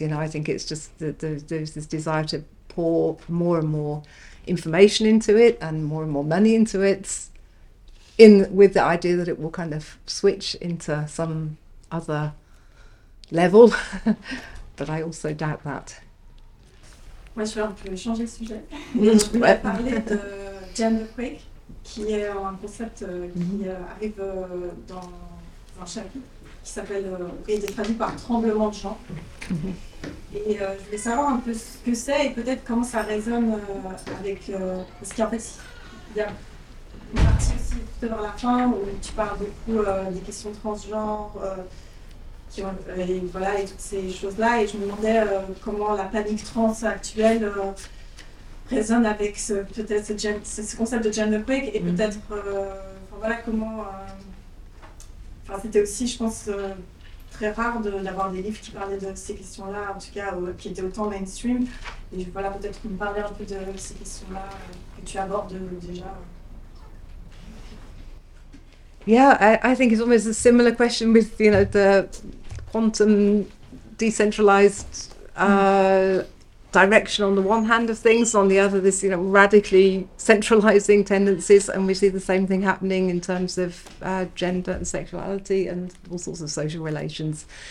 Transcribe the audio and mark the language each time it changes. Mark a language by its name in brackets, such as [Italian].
[English] You know, I think it's just that there's this desire to pour more and more information into it and more money into it, in with the idea that it will kind of switch into some other level. But I also doubt that. [French] Moi, je vais un peu changer de sujet. Je voulais parler de Jam the Quake, qui est un concept qui arrive dans chapitre. Qui s'appelle, qui a été traduit par tremblement de champ. Et je voulais savoir un peu ce que c'est et peut-être comment ça résonne avec. Parce qu'en fait, il y a une partie aussi tout vers la fin où tu parles beaucoup des questions transgenres et, voilà, et toutes ces choses-là. Et je me demandais comment la panique trans actuelle résonne avec ce concept de gender break et peut-être. Voilà comment. Enfin, c'était aussi, je pense, très rare d'avoir des livres qui parlaient de ces questions-là, en tout cas, qui étaient autant mainstream. Et voilà, peut-être me parler un peu de ces questions-là que tu abordes déjà. [English] Yeah, I think it's almost a similar question with, you know, the quantum decentralized direction on the one hand of things, on the other, this, you know, radically centralizing tendencies, and we see the same thing happening in terms of gender and sexuality and all sorts of social relations.